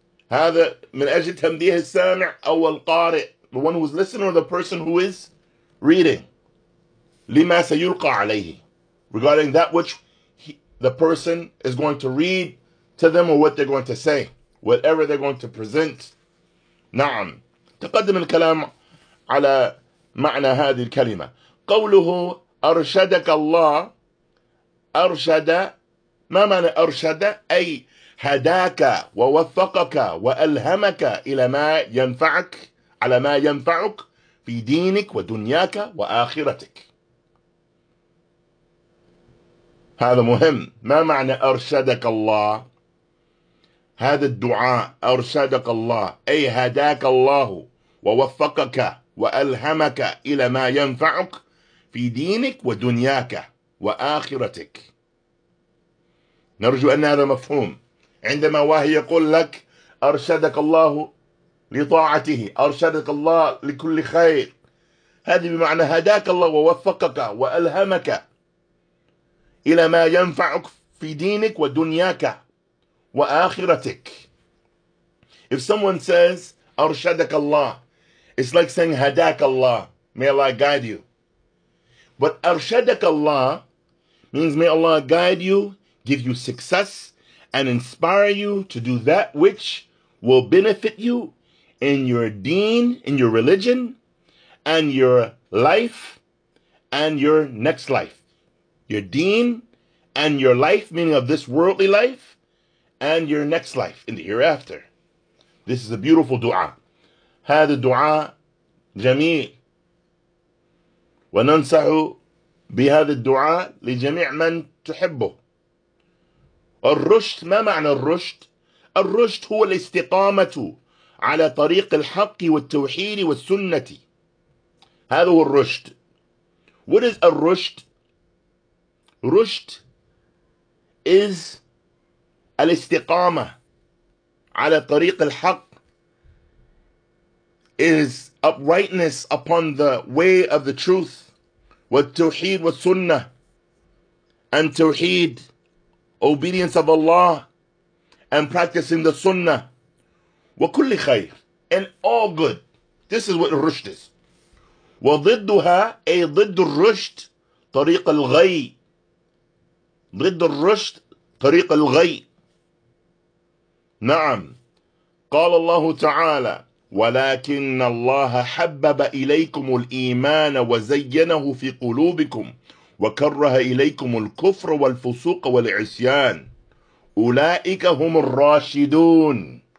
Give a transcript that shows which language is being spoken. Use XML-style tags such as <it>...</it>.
<ar>هذا من أجل تنبيه السامع أو القارئ,</ar> <en>the one who is listening or the person who is reading,</en> <ar>لما سيلقى عليه,</ar> <en>regarding that which the person is going to read to them or what they're going to say, whatever they're going to present.</en> <ar>نعم, تقدم الكلام على معنى هذه الكلمة. قوله أرشدك الله, أرشد ما معنى أرشد؟ أي هداك ووفقك وألهمك إلى ما ينفعك, على ما ينفعك في دينك ودنياك وآخرتك. هذا مهم. ما معنى أرشدك الله؟ هذا الدعاء أرشدك الله أي هداك الله ووفقك وألهمك إلى ما ينفعك في دينك ودنياك وآخرتك. نرجو أن هذا مفهوم. عندما واهي يقول لك أرشدك الله لطاعته, أرشدك الله لكل خير, هذه بمعنى هداك الله ووفقك وألهمك إلى ما ينفعك في دينك ودنياك وآخرتك.</ar> <en>If someone says أرشدك الله, it's like saying هداك الله, may Allah guide you. But أرشدك الله means may Allah guide you, give you success, and inspire you to do that which will benefit you in your deen, in your religion, and your life, and your next life. Your deen and your life, meaning of this worldly life, and your next life in the hereafter. This is a beautiful dua.</en> <ar>هذا الدعاء جميل. وننصح بهذا الدعاء لجميع من تحبه. الرشد, ما معنى الرشد؟ الرشد هو الاستقامة على طريق الحق والتوحيد والسنة. هذا هو الرشد.</ar> <en>What is الرشد؟ رشد is</en> <ar>الاستقامة على طريق الحق,</ar> <en>is uprightness upon the way of the truth,</en> <ar>والتوحيد والسنة,</ar> <en>and توحيد, obedience of Allah, and practicing the sunnah,</en> <ar>وكل خير,</ar> <en>and all good. This is what الرشد is.</en> <ar>وضدها, أي ضد الرشد, طريق الغي. ضد الرشد طريق الغي. نعم, قال الله تعالى ولكن الله حبب إليكم الإيمان وزينه في قلوبكم وكره إليكم الكفر والفسوق والعصيان أولئك هم الراشدون.</ar>